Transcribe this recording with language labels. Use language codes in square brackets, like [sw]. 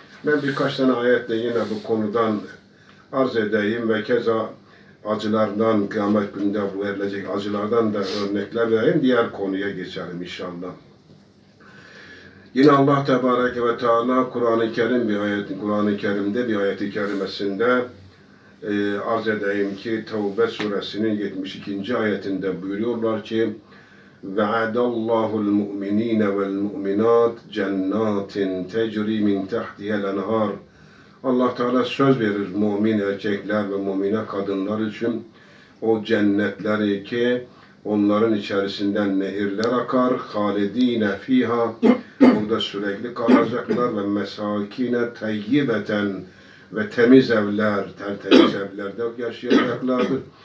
[tr] Ben birkaç tane ayetle yine bu konudan arz edeyim ve keza acılardan, kıyamet gününde verilecek acılardan da örnekler vereyim, diğer konuya geçelim inşallah. Yine Allah Tebareke ve Teala Kur'an-ı Kerim bir ayet, Kur'an-ı Kerim'de bir ayeti kerimesinde arz edeyim ki Tevbe suresinin 72. ayetinde buyuruyorlar ki [ar] وَعَدَ اللّٰهُ الْمُؤْمِن۪ينَ وَالْمُؤْمِنَاتِ جَنَّاتٍ تَجْرِي مِنْ تَحْتِهَا الْاَنْهَارِ. [tr] Allah Teala söz verir mümin erkekler ve mümine kadınlar için o cennetleri ki onların içerisinden nehirler akar. [ar] Halidine fiha, [tr] burada sürekli kalacaklar ve [ar] mesakine tayyibeten [tr] ve temiz evler, tertemiz evlerde yaşayacaklardır.